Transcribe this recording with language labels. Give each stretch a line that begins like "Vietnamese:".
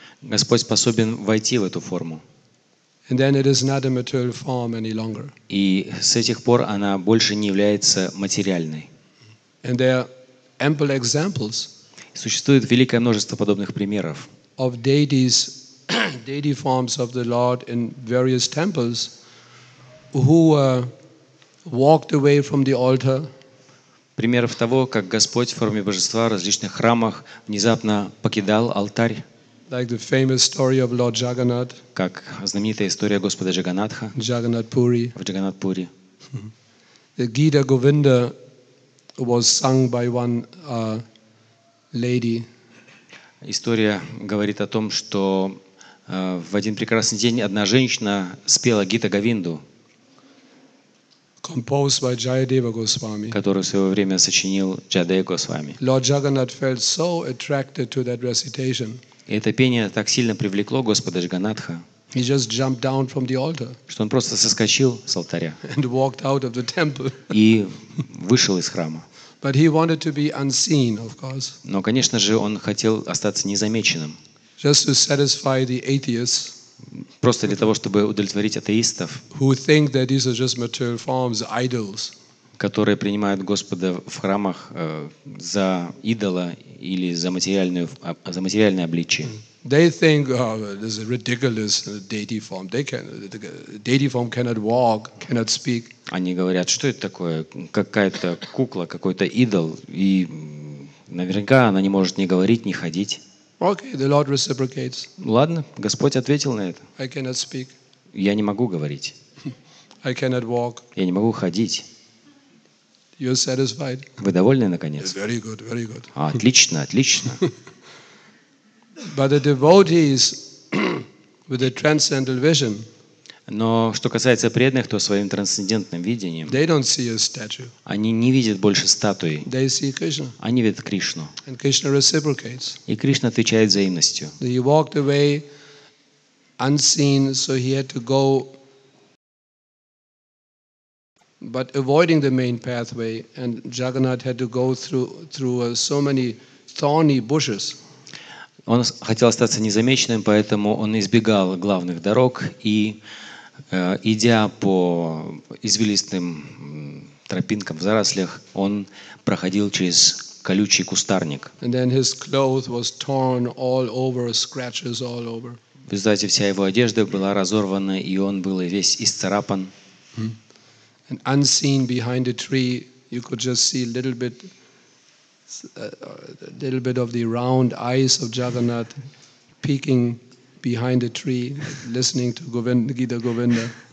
Russian: Господь способен войти в эту форму.
English: And then it is not a material form any longer.
Russian: И с этих пор она больше не является материальной.
English: And there are ample examples.
Russian: Существует великое множество подобных примеров.
English: Of deities, deity forms of the Lord in various temples, who walked away from the altar.
Russian: Примеров того, как Господь в форме божества в различных храмах внезапно покидал алтарь.
English: Like the famous story of Lord Jagannath.
Russian: Как знаменитая история Господа Джаганатха.
English: Jagannath Puri.
Russian: В Джаганатпури.
English: The Gita Govinda was sung by one. Lady.
Russian: История говорит о том, что в один прекрасный день одна женщина спела Гита Говинду,
English: composed by Jayadeva Goswami,
Russian: которую в свое время сочинил Джаядева Госвами.
English: Lord Jagannath felt so attracted to that recitation.
Russian: Это пение так сильно привлекло Господа Джаганатха.
English: He just jumped down from the altar.
Russian: Что он просто соскочил с алтаря.
English: And walked out of the temple.
Russian: И вышел из храма.
English: But he wanted to be unseen, of course.
Russian: Но, конечно же, он хотел остаться незамеченным.
English: Just to satisfy the atheists.
Russian: Просто для того, чтобы удовлетворить атеистов.
English: Who think that these are just material forms, idols.
Russian: Которые принимают Господа в храмах за идола или за материальное обличие.
English: They think this is a ridiculous deity form. They can, the deity form cannot walk, cannot speak.
Russian: Они говорят, что это такое? Какая-то кукла, какой-то идол, и наверняка она не может ни говорить, ни ходить.
English: Okay, the Lord reciprocates.
Russian: Ладно, Господь ответил на это.
English: I cannot speak.
Russian: Я не могу говорить.
English: I cannot walk.
Russian: Я не могу ходить.
English: You're satisfied.
Russian: Вы довольны наконец?
English: It's very good, very good.
Russian: А, отлично, отлично.
English: But the devotees with a transcendental vision.
Russian: Но что касается преданных, то своим трансцендентным видением.
English: They don't see a statue.
Russian: Они не видят больше статуи.
English: They see Krishna.
Russian: Они видят Кришну.
English: And Krishna reciprocates.
Russian: И Кришна отвечает взаимностью.
English: He walked away unseen, so he had to go. But avoiding the main pathway, and Jagannath had to go through so many thorny bushes.
Russian: Он хотел остаться незамеченным, поэтому он избегал главных дорог и идя по извилистым тропинкам в зарослях, он проходил через колючий кустарник.
English: And then his clothes was torn all over, scratches all over.
Russian: Вы знаете, вся его одежда была разорвана, и он был весь исцарапан.
English: And unseen behind a tree, you could just see a little bit of the round eyes of Jagannath peeking behind a tree, listening to Gita Govinda.